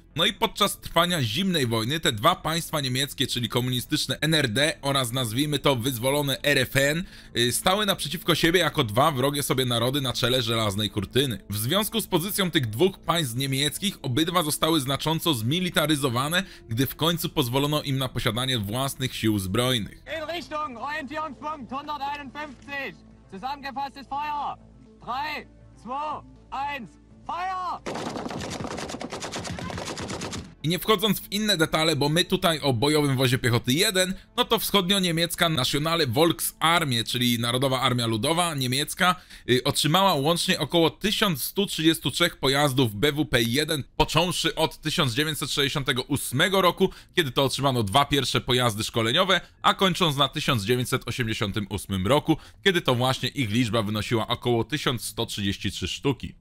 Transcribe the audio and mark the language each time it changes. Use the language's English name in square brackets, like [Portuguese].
[Polish] No i podczas trwania zimnej wojny te dwa państwa niemieckie, czyli komunistyczne NRD oraz nazwijmy to wyzwolone RFN, stały naprzeciwko siebie jako dwa wrogie sobie narody na czele żelaznej kurtyny. W związku z pozycją tych dwóch państw niemieckich obydwa zostały znacząco zmilitaryzowane, gdy w końcu pozwolono im na posiadanie własnych sił zbrojnych. [German] In Richtung, Orientierungspunkt 151, zusammengefasstes Feuer, 3, 2, 1, Feuer! [Polish] I nie wchodząc w inne detale, bo my tutaj o bojowym wozie piechoty 1, no to wschodnio-niemiecka Nationale Volksarmee, czyli Narodowa Armia Ludowa Niemiecka, otrzymała łącznie około 1133 pojazdów BWP-1, począwszy od 1968 roku, kiedy to otrzymano dwa pierwsze pojazdy szkoleniowe, a kończąc na 1988 roku, kiedy to właśnie ich liczba wynosiła około 1133 sztuki.